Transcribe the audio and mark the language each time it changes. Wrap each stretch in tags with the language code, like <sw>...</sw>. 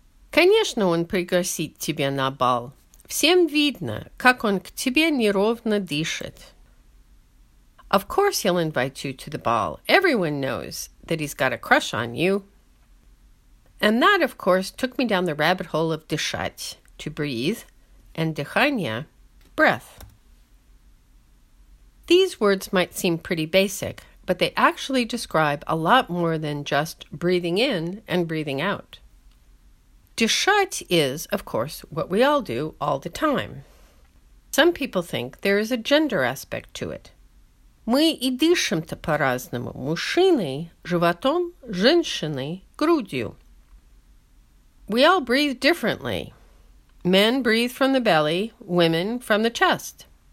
<ru>Конечно, он пригласит тебя на бал. Всем видно, как он к тебе неровно дышит.</ru> <en>Of course he'll invite you to the ball. Everyone knows that he's got a crush on you. And that, of course, took me down the rabbit hole of дышать, to breathe, and дыхание, breath. These words might seem pretty basic, but they actually describe a lot more than just breathing in and breathing out. Дышать is, of course, what we all do all the time. Some people think there is a gender aspect to it.</en> <ru>Мы и дышим-то по-разному. Мужчины – животом, женщины – грудью.</ru> <en>We all breathe differently. Men breathe from the belly, women from the chest.</en>